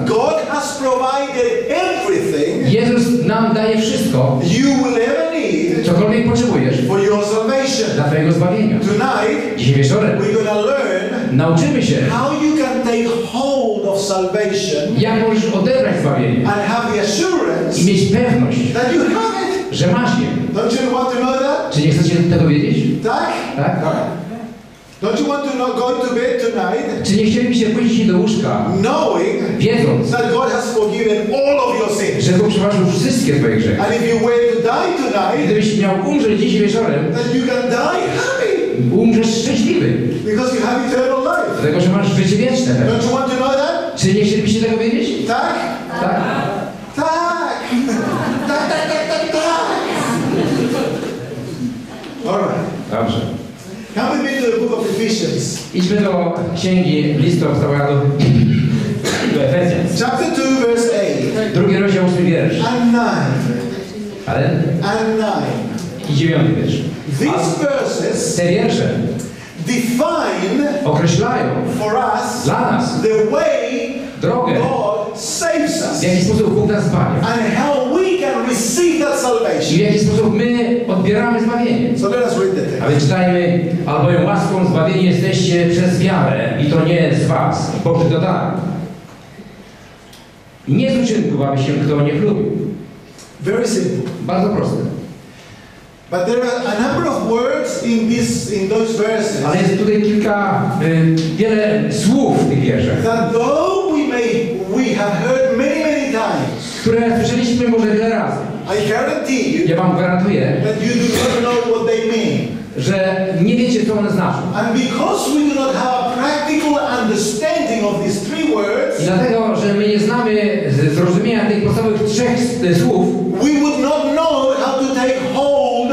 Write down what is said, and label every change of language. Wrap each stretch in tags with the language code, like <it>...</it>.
<en>God has provided everything.</en> <pl>Jezus nam daje wszystko.</pl> <en>You will ever need.</en> <pl>Cokolwiek potrzebujesz.</pl> <en>For your salvation.</en> <pl>Dla twojego zbawienia.</pl> <en>Tonight,</en> <pl>dzisiaj wieczorem,</pl> <en>we're gonna learn.</en> <pl>Nauczymy się,</pl> <en>how you can take hold of salvation,</en> <pl>jak możesz odebrać zbawienie</pl> <en>and have the assurance</en> <pl>i mieć pewność,</pl> <en>that you have it,</en> <pl>że masz je?</pl> <en>Don't you want to know that?</en> <pl>Czy nie chcesz tego wiedzieć? Tak? Tak?</pl> <en>Don't you want to not go to bed tonight?</en> <pl>Czy nie chcielibyście pójść do łóżka,</pl> <en>knowing,</en> <pl>wiedząc,</pl> <en>that God has forgiven all of your sins,</en> <pl>że Bóg przebaczył wszystkie twoje grzechy?</pl> <en>And if you were to die tonight,</en> <pl>gdybyś miał umrzeć dziś wieczorem,</pl> <en>then you can die happy.</en> <pl>Umrzesz szczęśliwy.</pl> <en>Because you have eternal life.</en> <pl>Dlatego, że masz życie wieczne.</pl> <en>Don't you want to know that?</en> <pl>Czy nie chcielibyście tego wiedzieć? Tak? Tak. Tak. Tak, tak, tak, tak, tak.</pl> <en>All right.</en> <pl>Dobrze.</pl> <en>Come with me to the book of Ephesians.</en> <pl>Idźmy do księgi listów Apostoła do Efezjan.</pl> <en>Chapter 2, verse 8.</en> <pl>Drugi rozdział, 8 wiersz.</pl> <en>And 9.</en> <pl>Ale?</pl> <en>And 9.</en> <pl>I 9 wiersz.</pl> <en>These verses,</en> <pl>te wiersze,</pl> <en>define,</en> <pl>określają</pl> <en>for us,</en> <pl>dla nas,</pl> <en>the way,</en> <pl>drogę,</pl> <en>God saves us.</en> <pl>W jaki sposób Bóg nas zbawia.</pl> <en>And how we can receive that salvation.</en> <pl>I w jaki sposób my odbieramy zbawienie.</pl> <en>So let us read the text.</en> <pl>A więc czytajmy, albowiem łaską zbawieni jesteście przez wiarę i to nie z was, bo to tak. Nie z uczynku, aby się kto nie chlubił.</pl> <en>Very simple.</en> <pl>Bardzo proste.</pl> <en>But there are a number of words in this, in those verses.</en> <pl>Ale jest tutaj kilka, wiele słów w tych wierszach.</pl> <en>That though we have heard many, many times.</en> <pl>Które słyszeliśmy może wiele razy.</pl> <en>I guarantee you.</en> <pl>Ja wam gwarantuję.</pl> <en>That you do not know what they mean.</en> <pl>Że nie wiecie, co one znaczą.</pl> <en>And because we do not have a practical understanding of these three words.</en> <pl>I dlatego, że my nie znamy zrozumienia tych podstawowych trzech słów.</pl> <en>We would not know how to take hold.</en>